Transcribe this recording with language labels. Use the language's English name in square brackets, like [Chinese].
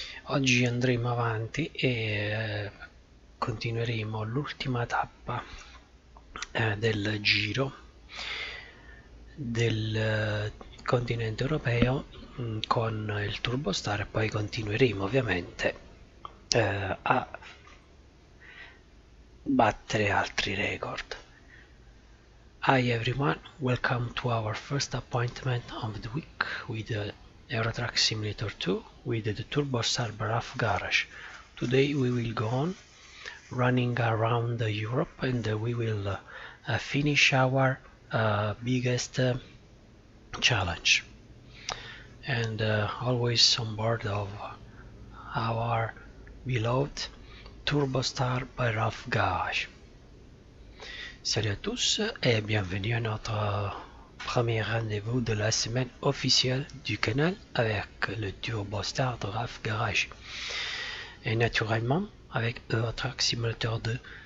[Italian] Oggi andremo avanti e continueremo l'ultima tappa del giro del continente europeo con il Turbo Star e poi continueremo ovviamente a battere altri record. [English] Hi everyone, welcome to our first appointment of the week with Eurotruck Simulator 2 with the Turbo Star Ralph Garage. Today we will go on running around Europe and we will finish our biggest challenge. And always on board of our beloved Turbo Star by Ralph Garage. [French] Salut à tous et bienvenue à notre premier rendez-vous de la semaine officielle du canal avec le Turbo Star de Ralph Garage et naturellement avec Eurotruck Simulator 2.